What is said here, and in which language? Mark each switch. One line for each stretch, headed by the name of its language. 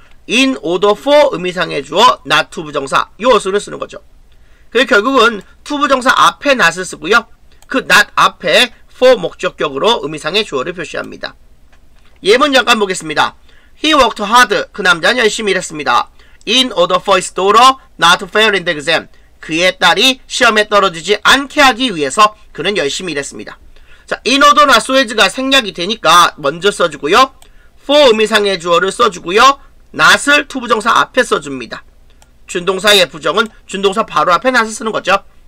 English: in order for
Korean: 의미상의 주어, not to 부정사, 요 어순을 쓰는 거죠. 그리고 결국은 to 부정사 앞에 not을 쓰고요. 그 not 앞에 for 목적격으로 의미상의 주어를 표시합니다. 예문 잠깐 보겠습니다.
English: He worked hard.
Korean: 그 남자는 열심히 일했습니다.
English: In order for his daughter not to fail in the exam.
Korean: 그의 딸이 시험에 떨어지지 않게 하기 위해서 그는 열심히 일했습니다. 자, in order나 so as가 생략이 되니까 먼저 써주고요. for 의미상의 주어를 써주고요. not을 to 부정사 앞에 써줍니다. 준동사의 부정은 준동사 바로 앞에 not을 쓰는 거죠.